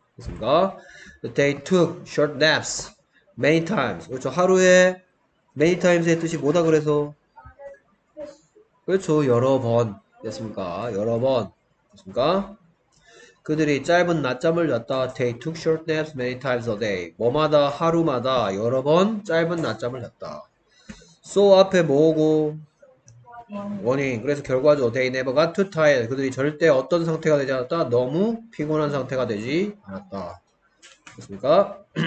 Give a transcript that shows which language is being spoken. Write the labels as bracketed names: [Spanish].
[Korean] 됐습니까? [English] They took short naps many times. [Korean] 그렇죠. 하루에 many times의 뜻이 뭐다 그래서? 그렇죠. 여러 번. 됐습니까? 여러 번. 됐습니까? 그들이 짧은 낮잠을 잤다. [English] They took short naps many times a day. [Korean] 뭐마다 하루마다 여러 번 짧은 낮잠을 잤다. So 앞에 뭐고? Warning. 그래서 결과죠. [English] They never got too tired. [Korean] 그들이 절대 어떤 상태가 되지 않았다. 너무 피곤한 상태가 되지 않았다. 그렇습니까?